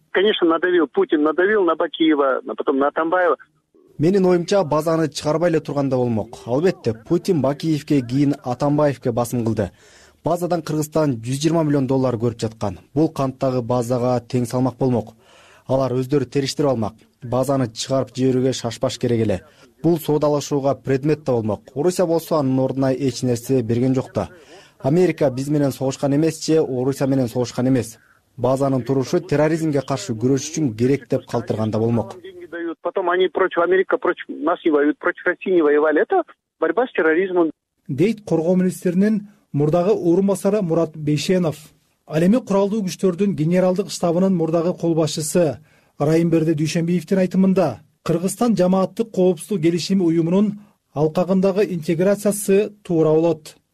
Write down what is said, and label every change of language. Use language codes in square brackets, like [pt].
[ru] Конечно, надавил Путин, надавил на Бакиева, а потом на Атамбаева. [ky] Менин оюмча базаны чыгарбай эле турганда болмок. Албетте, Путин Бакиевке кийин Атамбаевке басым кылды. Базадан Кыргызстан 120 миллион доллар көрүп жаткан. Бул канттагы базага тең салмак болмок. Алар өздөрү териштирип алмак. Базаны чыгарып жиберүүгө шашпаш керек эле. Бул соодалашууга предмет да болмок. Орусия болсо анын ордуна эч нерсе берген жок да. Америка биз менен согушкан эмес же Орусия менен согушкан эмес. Базанын турушу терроризмге каршы күрөш үчүн керек деп калтырганда болмок. [ru] Потом они против Америка, против нас не воюют, против России не воевали. Это борьба с терроризмом. [ky] Дейт коргоо министринин мурдагы орун басары Мурат Бейшенов. Ал эми куралдуу күчтөрдүн генералдык штабынын мурдагы колбашчысы Райымберди Дүйшөнбеевдин айтымында Кыргызстан жамааттык коопсуздук келишими уюмунун алкагындагы интеграциясы туура болот.